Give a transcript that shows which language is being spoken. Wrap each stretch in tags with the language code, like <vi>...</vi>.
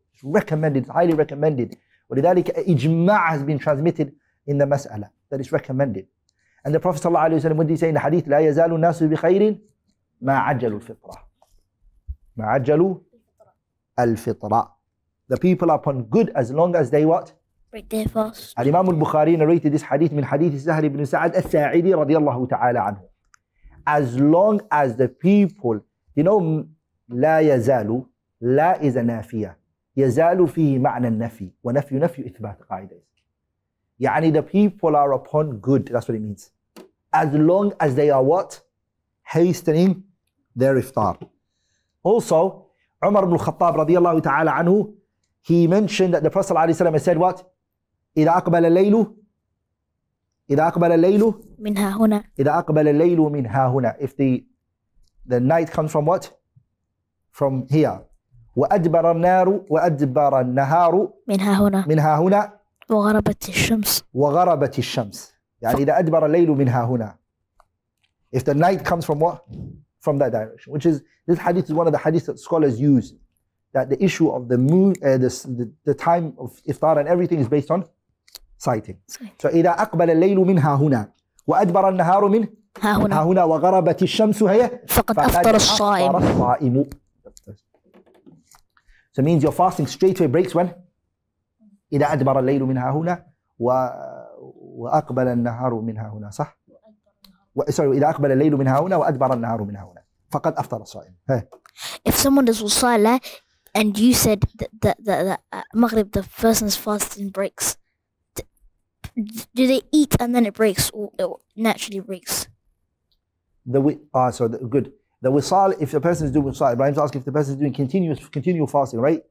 <en>It's recommended, it's highly recommended. ولذلك إجماع has been transmitted in the mas'ala, that it's recommended. And the Prophet ﷺ, when did he say in the hadith,</en> <ar>لا يزال الناس بخيرٍ ما عجلوا الفطرة. ما عجلوا الفطرة.</ar> <en>The people are upon good as long as they what? Break their fast. Al-Imam al-Bukhari narrated this hadith</en> <ar>من حديث سهل بن سعد الساعدي رضي الله تعالى عنه.</ar> <en>As long as the people, you know,</en> <ar>لا يزال, لا is a نافية, يزال فيه معنى النفي, ونفي نفي إثبات قاعدة.</ar> <en>يعني the people are upon good, that's what it means. As long as they are what? Hastening their iftar. Also, Umar ibn al-Khattab رضي الله تعالى عنه, he mentioned that the Prophet صلى الله عليه وسلم said what?</en> <ar>إذا أقبل الليل إذا أقبل الليل منها هنا</ar> <en>if the night comes from what? From here.</en> <ar>وأدبر النار وأدبر النهار منها هنا منها هنا وغربت الشمس وغربت الشمس يعني إذا أدبر الليل منها هنا</ar> <en>if the night comes from what? From that direction. Which is this hadith is one of the hadiths that scholars use. that the issue of the moon, the time of iftar and everything is based on sighting.</en> <ar>So إذا أقبل الليل منها هنا وأدبر النهار من ها هنا وغربت الشمس هي فقد أفطر الصائم.</ar> <en>So it means your fasting straight away breaks when</en> <ar>إذا أدبر الليل منها هنا وأقبل النهار منها هنا صح. Sorry, إذا أقبل الليل منها هنا وأدبر النهار منها هنا فقد أفطر الصائم.</ar> <en>If someone does الصلاة and you said that Maghrib, the person's fasting breaks, do they eat and then it breaks or it naturally breaks? The wisal, if the person is doing wisal, Ibrahim's asking if the person is doing continuous fasting, right?</en>